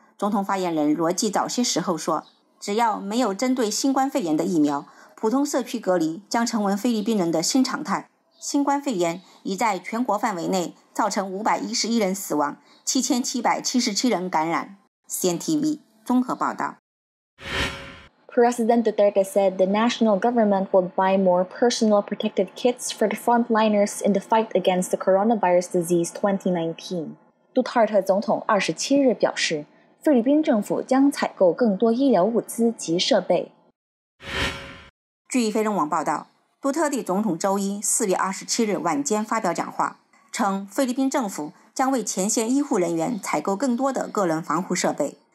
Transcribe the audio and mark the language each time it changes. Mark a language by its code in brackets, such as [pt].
[zh] 总统发言人罗辑早些时候说，只要没有针对新冠肺炎的疫苗，普通社区隔离将成为菲律宾人的新常态。新冠肺炎已在全国范围内造成511人死亡，7777人感染。 CNTV 综合报道。 [en] President Duterte said the national government will buy more personal protective kits for the frontliners in the fight against the coronavirus disease 2019. [zh] 杜特尔特总统27日表示，菲律宾政府将采购更多医疗物资及设备。据菲中网报道，杜特地总统周一4月27日晚间发表讲话，称菲律宾政府将为前线医护人员采购更多的个人防护设备。